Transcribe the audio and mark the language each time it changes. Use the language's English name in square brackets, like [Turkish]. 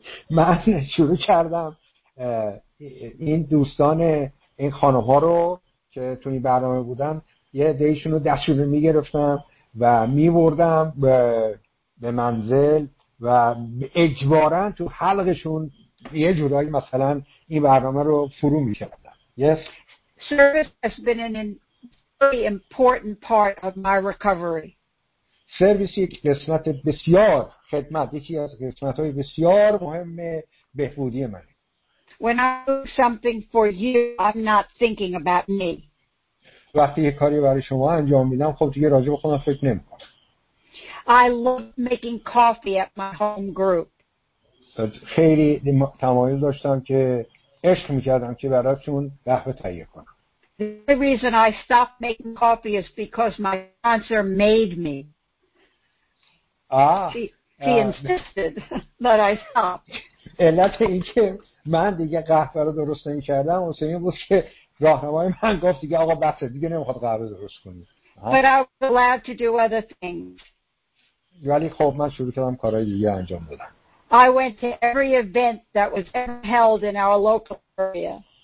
[Persian] من شروع کردم این دوستان این خانم ها رو که تو این برنامه بودن یه دیشون رو دستشون می گرفتم و می بردم به منزل و اجباراً تو حلقشون یه جورایی مثلا این برنامه رو فرو می‌کردن. [English] Yes. Service has been an very important part of my recovery. [Persian] سرویسی قسمت بسیار خدمت یکی از قسمت‌های بسیار مهم بهبودی من. [English] When I do something for you, I'm not thinking about me. [Persian] وقتی یه کاری برای شما انجام میدم خب دیگه راجع به خودم فکر نمی‌کنم. [English] I love making coffee at my home group. [Persian] خیلی تمایل داشتم که عشق می‌کردم که براتون قهوه تهیه کنم. [English] The reason I stopped making coffee is because my sponsor made me. She insisted that I stop. [Persian] علت اینکه من دیگه قهوه رو درست نمی‌کردم واسه این بود که راهنمای من گفت دیگه آقا بسه دیگه نمیخواد قهوه درست کنی. [English] But I was allowed to do other things. [Persian] ولی خب من شروع کردم کارهای دیگه انجام دادم. [English] I went to every event that was held in our local area.